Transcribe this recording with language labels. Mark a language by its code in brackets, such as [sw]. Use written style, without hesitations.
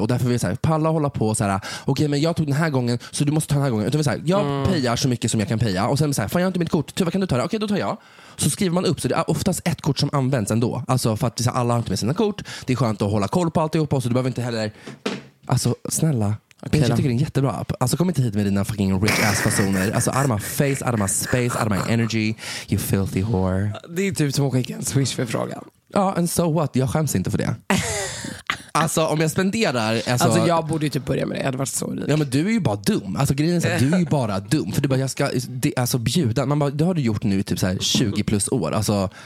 [sv] Och därför vill jag så här, palla hålla på så här. Okej, okay, men jag tog den här gången, så du måste ta den här gången. Utan så här, jag payar så mycket som jag kan paya. Och sen så här, fan, jag har inte mitt kort. Tyvärr, kan du ta det? Okej, okay, då tar jag. Så skriver man upp, så det är oftast ett kort som används ändå. Alltså, för att så här, alla har inte med sina kort. Det är skönt att hålla koll på alltihop. Så du behöver inte heller... Alltså, snälla. Okay, jag tycker det är en jättebra app. Alltså kom inte hit med dina [en] fucking rich ass [sv] personer. [en] Alltså out of my face, out of my space, out of my energy. You filthy whore. [sv] Det är typ som att skicka en swish för frågan. Ja, [en] and so what, [sv] jag skäms inte för det. Alltså om jag spenderar alltså jag borde ju typ börja med det, jag hade varit så rik. Ja, men du är ju bara dum. Alltså grejen är så här, du är ju bara dum. För du bara, jag ska, det, alltså bjuda. Man bara, det har du gjort nu i typ så här 20 plus år. Alltså,